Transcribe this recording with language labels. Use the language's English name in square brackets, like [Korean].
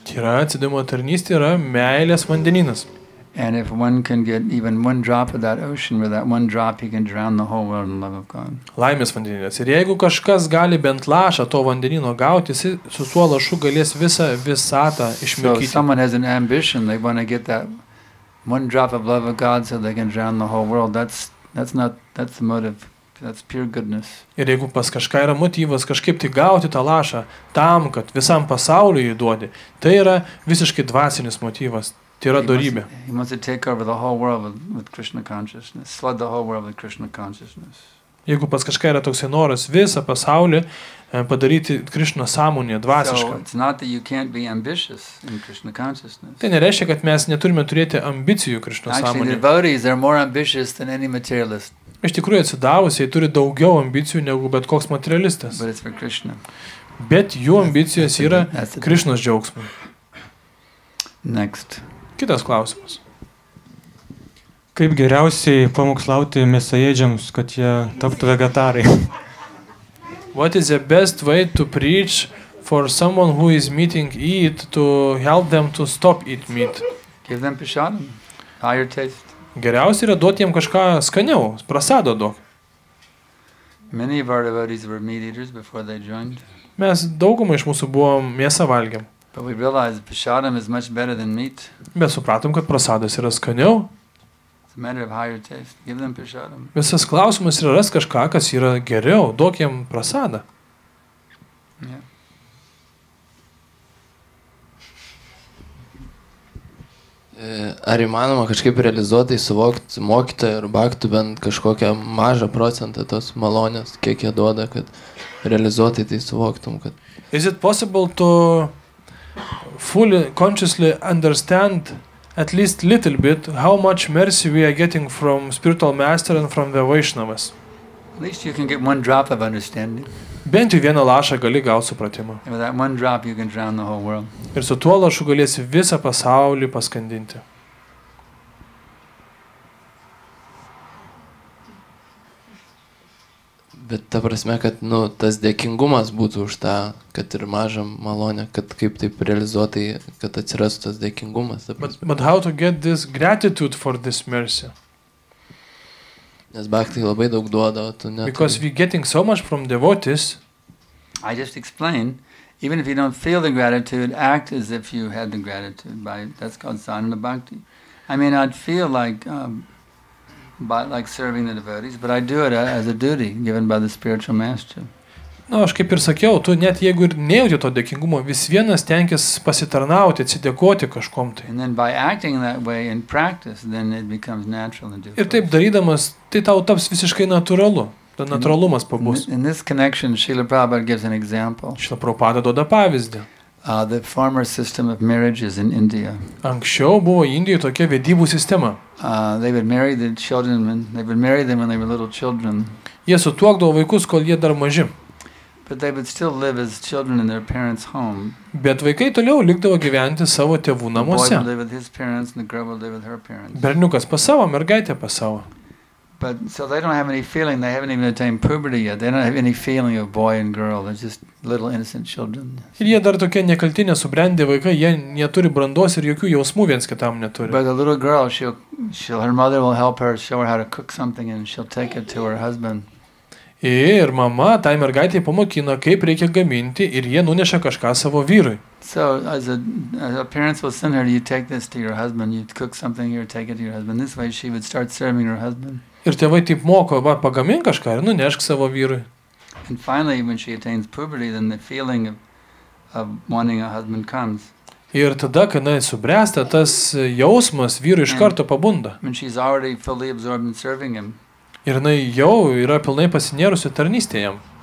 [Lithuanian] Tyra atsidimo tarnystė yra meilės vandenynas. [English] And if one can get even one drop of that ocean with that one drop he can drown the whole world in love of God. [Lithuanian] Laimės vandenynas. Ir jeigu kažkas gali bent lašą to vandenyno gauti, jis su tuo lašu galės visą visatą išmirkyti. [English] So someone has an ambition, they want to get that one drop of love of God so they can drown the whole world. That's the motive. That's pure goodness. [Lithuanian] Ir jeigu pas kažką yra motyvas kažkaip tai gauti tą lašą tam, kad visam pasauliui jį duodi, tai yra visiškai dvasinis motyvas. Tai yra dorybė. [English] He must take over the whole world with Krishna consciousness. Flood the whole world with Krishna consciousness. [Lithuanian] Jeigu pas kažką yra toks noras visą pasaulį padaryti Krishna sąmonėje dvasišką. [English] So it's not that you can't be ambitious in Krishna consciousness. [Lithuanian] Tai nereiškia, kad mes neturime turėti ambicijų Krishna sąmonėje. [English] Actually, the devotees are more ambitious than any materialist. [Lithuanian] Iš tikrųjų, atsidavusiai turi daugiau ambicijų negu bet koks materialistas. [English] But it's for Krishna. [Lithuanian] Bet jų ambicijos yra Krishnos džiaugsmai. [English] Next. [Lithuanian] Kitas klausimas. Kaip geriausiai pamokslauti mėsaėdžiams, kad jie taptų vegetarai? [English] What is the best way to preach for someone who is meeting eat to help them to stop eat meat? Give them prasadam, higher taste. [Lithuanian] Geriausia yra duoti jam kažką skaniau, prasado duok. [English] Many of our devotees were meat eaters before they joined. [Lithuanian] Mes daugumai iš mūsų buvom mėsą valgėm. [English] But we realized prasadam is much better than meat. [Lithuanian] Mes supratom, kad prasadas yra skaniau. [English] It's a matter of higher taste. Give them prasadam. [Lithuanian] Visas klausimas yra ras kažką, kas yra geriau. Duok jam prasadą. Ar įmanoma kažkaip realizuotai suvokti mokytojų ir baktų bent kažkokią mažą procentą tos malonės, kiek jie duoda, kad realizuotai tai suvoktum? Kad... [English] Is it possible to fully, consciously understand at least little bit how much mercy we are getting from spiritual master and from the Vaishnavas. At least you can get one drop of understanding. [Lithuanian] Bent jau vieną lašą gali gauti supratimą. [English] And with that one drop you can drown the whole world. [Lithuanian] Ir su tuo lašu galėsi visą pasaulį paskandinti. Bet ta prasme, kad nu, tas dėkingumas būtų už tą, kad ir mažą malonę, kad kaip taip realizuotai, kad atsirastų tas dėkingumas. Ta [English] but how to get this gratitude for this mercy? [Lithuanian] Nes bhakti labai daug duoda, o tu neturi. [English] Because we getting so much from devotees. I just explain, even if you don't feel the gratitude, act as if you had the gratitude. By, that's called sadhana bhakti. I mean, I'd feel like... But like serving the devotees, but I do it as a duty given by the spiritual master. [Lithuanian] No, aš kaip ir sakiau, tu net jeigu ir nejauti to dėkingumo, vis vienas tenkis pasitarnauti, atsidėkoti kažkom tai. [English] And then by acting that way in practice, then it becomes natural and [Lithuanian] ir taip darydamas, tai tau taps visiškai natūralu. Ta natūralumas pabus. [English] In this connection, Srila Prabhupada gives an example. [Lithuanian] Šila Prabhupada duoda pavyzdį. [English] The former system of marriages in India. [Lithuanian] Anksčiau buvo Indijoje tokia vedybų sistema. [English] They would marry the children when they would marry them when they were little children. [Lithuanian] Jie sutuokdavo vaikus, kol jie dar maži. [English] But they would still live as children in their parents' home. [Lithuanian] Bet vaikai toliau likdavo gyventi savo tėvų namuose. [English] The boy would live with his parents and the girl would live with her parents. [Lithuanian] Berniukas pas savo, mergaitė pas savo. [English] But so they don't have any feeling, they haven't even attained puberty yet. They don't have any feeling of boy and girl. They're just little innocent children. [Lithuanian] Ir jie dar tokie nekaltinė subrendė vaikai, jie neturi brandos ir jokių jausmų viens kitam neturi. [English] But the little girl, she'll her mother will help her, show her how to cook something and she'll take it to her husband. [Lithuanian] Ir mama tai mergaitė pamokina, kaip reikia gaminti ir jie nuneša kažką savo vyrui. [English] So as a parents will send her, you take this to your husband, you cook something here, take it to your husband. This way she would start serving her husband. [Lithuanian] Ir tėvai taip moko, va, pagamink kažką ir nunešk savo vyrui. [English] And finally, when she attains puberty, then the feeling of wanting a husband comes. [Lithuanian] Ir tada, kai jis subręsta, tas jausmas vyrui iš karto pabunda. Ir jinai jau yra pilnai pasinėrusi tarnystėjam.